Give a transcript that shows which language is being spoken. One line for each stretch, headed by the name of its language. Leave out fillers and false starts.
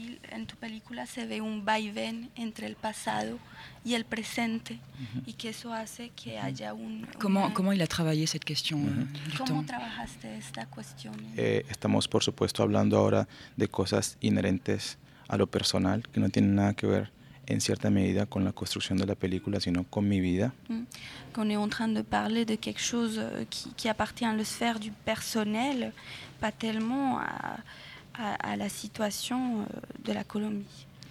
Spanish: En tu película se ve un vaivén entre el pasado y el presente, y que eso hace que haya un...
French: Comment il a travaillé cette question du temps?
Spanish: ¿Cómo trabajaste esta cuestión? Estamos, por supuesto, hablando ahora de cosas inherentes a lo personal, que no tienen nada que ver en cierta medida con la construcción de la película, sino con mi vida.
French: Qu'on est en train de parler de quelque chose qui appartient à la sphère du personnel, pas tellement à la situation de la Colombie.